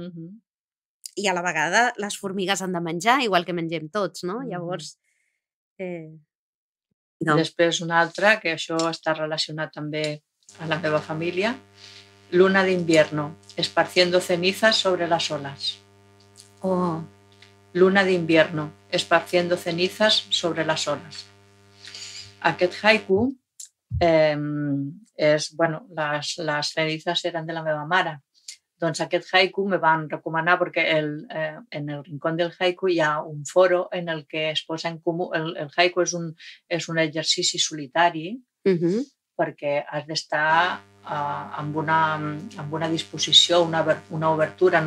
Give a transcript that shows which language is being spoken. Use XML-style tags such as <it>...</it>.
<ca>Uh-huh. I a la vegada les formigues han de menjar, igual que mengem tots, no? Uh-huh. Llavors... No. Després una altra, que això està relacionat també a la meva família,</ca> <es>Luna d'invierno, esparciendo cenizas sobre las olas. Oh. Luna d'invierno, esparciendo cenizas sobre las olas.</es> <ca>Aquest haiku és, bueno, les cenizas eren de la meva mare. Doncs aquest haiku me van recomanar perquè en el rincón del haiku hi ha un foro en el que es posa en comú. El haiku és un exercici solitari, uh-huh, perquè has d'estar amb una disposició, una obertura.</ca>